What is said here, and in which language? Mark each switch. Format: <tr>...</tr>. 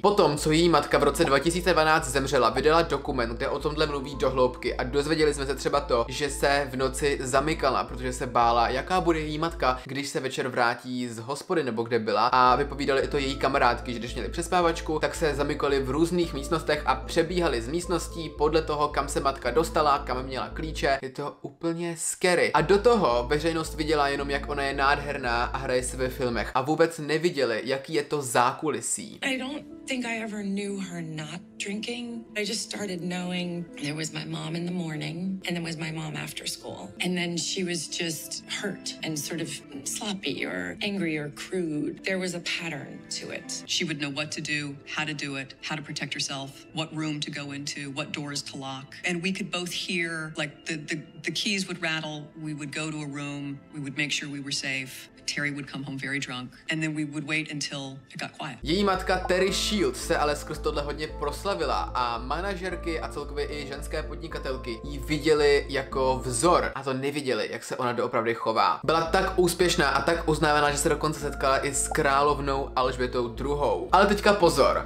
<cs>Potom, co její matka v roce 2012 zemřela, vydala dokument, kde o tomhle mluví do hloubky a dozvěděli jsme se třeba to, že se v noci zamykala, protože se bála, jaká bude její matka, když se večer vrátí z hospody nebo kde byla, a vypovídali i to její kamarádky, že když měli přespávačku, tak se zamykali v různých místnostech a přebíhali z místností podle toho, kam se matka dostala, kam měla klíče. Je to úplně scary. A do toho veřejnost viděla jenom, jak ona je nádherná a hraje se ve filmech a vůbec neviděli, jaký je to zákulisí.</cs> <en>Think I ever knew her not drinking. I just started knowing there was my mom in the morning and then was my mom after school. And then she was just hurt and sort of sloppy or angry or crude. There was a pattern to it. She would know what to do it, how to protect herself, what room to go into, what doors to lock. And we could both hear, like the keys would rattle, we would go to a room, we would make sure we were safe. Terry would come home very drunk and then we would wait until it got quiet.</en> <cs>Její matka Terry Shields se ale skrz tohle hodně proslavila a manažerky a celkově i ženské podnikatelky jí viděli jako vzor a to neviděli, jak se ona doopravdy chová. Byla tak úspěšná a tak uznávaná, že se dokonce setkala i s královnou Alžbětou II. Ale teďka pozor.</cs>